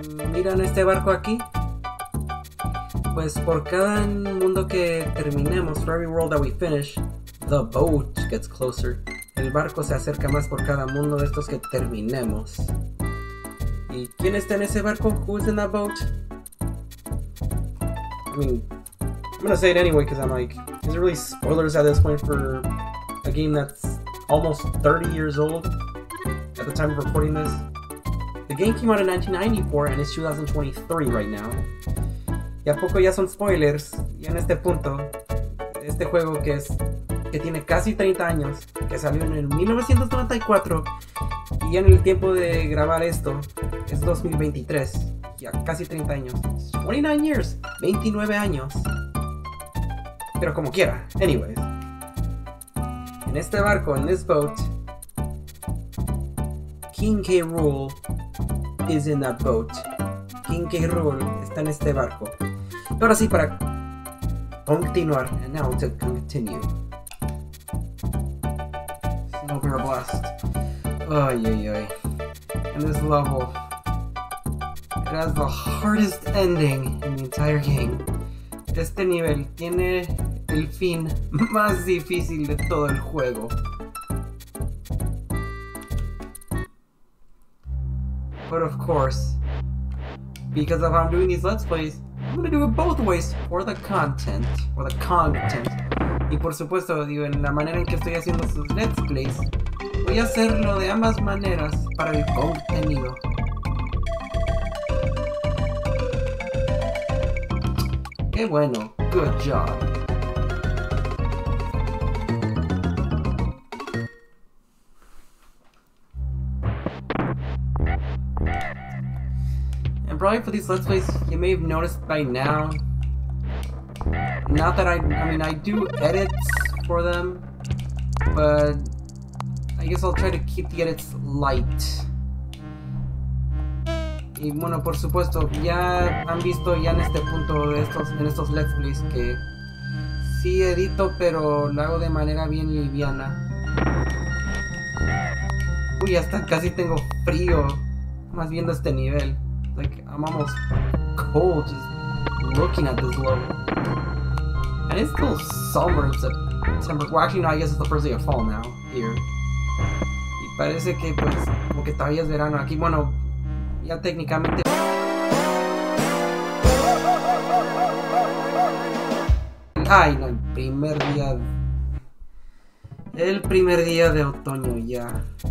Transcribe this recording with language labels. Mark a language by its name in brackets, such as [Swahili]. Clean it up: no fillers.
[Spanish] ¿Miran este barco aquí? Pues por cada mundo que terminemos, [English] for every world that we finish, the boat gets closer. [Spanish] El barco se acerca más por cada mundo de estos que terminemos. ¿Y quién está en ese barco? [English] Who's in that boat? I mean, I'm gonna say it anyway because I'm like, is it really spoilers at this point for a game that's almost 30 years old at the time of recording this? The game came out in 1994 and it's 2023 right now. [Spanish] ¿Y a poco ya son spoilers? Y en este punto, este juego que es que tiene casi 30 años, que salió en 1994, y en el tiempo de grabar esto, es 2023, ya casi 30 años. [English] It's 29 years, [Spanish] 29 años. Pero como quiera, anyways. En este barco, en [English] this boat, [Spanish] King K. [English] Rool is in that boat. King K. [Spanish] Rool está en este barco. Ahora sí, para continuar, [English] and now to continue. Snowbear Blast. Ay, ay, ay. And this level, it has the hardest ending in the entire game. [Spanish] Este nivel tiene el fin más difícil de todo el juego. [English] But of course, because of how I'm doing these Let's Plays, I'm gonna do it both ways for the content. For the content. [Spanish] Y por supuesto, digo, en la manera en que estoy haciendo sus Let's Plays, voy a hacerlo de ambas maneras para el contenido. Qué bueno. [English] Good job. Probably for these Let's Plays, you may have noticed by now. Not that I mean, I do edits for them, but I guess I'll try to keep the edits light. [Spanish] Y bueno, por supuesto, ya han visto ya en este punto de estos, en estos Let's Plays, que sí edito, pero lo hago de manera bien liviana. Uy, hasta casi tengo frío, más viendo este nivel. [English] Like, I'm almost cold just looking at this level. And it's still summer in September. Well, actually, no, I guess it's the first day of fall now, here. [Spanish] Y parece que, pues, como que todavía es verano aquí. Bueno, ya técnicamente... Ay, no, el primer día de otoño, ya.